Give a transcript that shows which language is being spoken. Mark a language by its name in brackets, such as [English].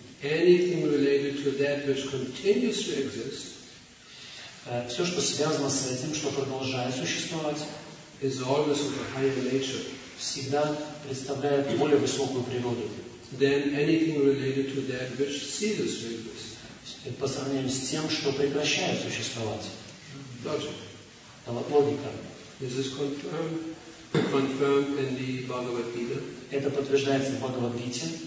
[English] Anything related to that which continues to exist, [Russian] все, что связано с этим, что продолжает существовать, [English] is always of a higher nature. [Russian] Всегда представляет более высокую природу. [English] Then anything related to that which ceases to exist. [Russian] По сравнению с тем, что прекращает существовать. [English] Logic. [Russian] Это логика. [English] This is confirmed in the Bhagavad Gita. [Russian] Это подтверждается в Бхагавад Гите.